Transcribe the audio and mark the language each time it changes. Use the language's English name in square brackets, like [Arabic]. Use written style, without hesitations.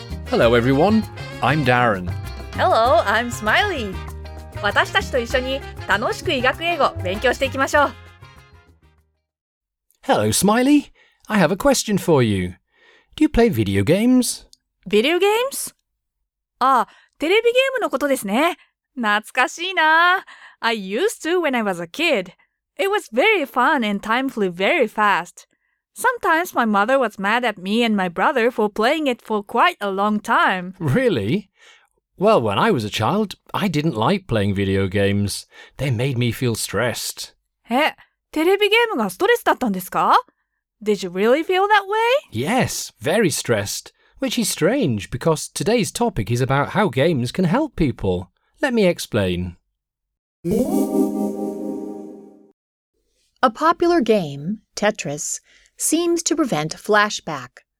[English] Hello everyone, I'm Darren. Hello, I'm Smiley. [Japanese] 私たちと一緒に楽しく医学英語勉強していきましょう。 [English] Hello, Smiley. I have a question for you. Do you play video games? Video games? [Japanese] ああ、テレビゲームのことですね。懐かしいな。 [English] I used to when I was a kid. It was very fun and time flew very fast. Sometimes my mother was mad at me and my brother for playing it for quite a long time. Really? Well, when I was a child, I didn't like playing video games. They made me feel stressed. [Japanese] え、テレビゲームがストレスだったんですか? [English] Did you really feel that way? Yes, very stressed. Which is strange, because today's topic is about how games can help people. Let me explain. A popular game, Tetris, seems to prevent flashback.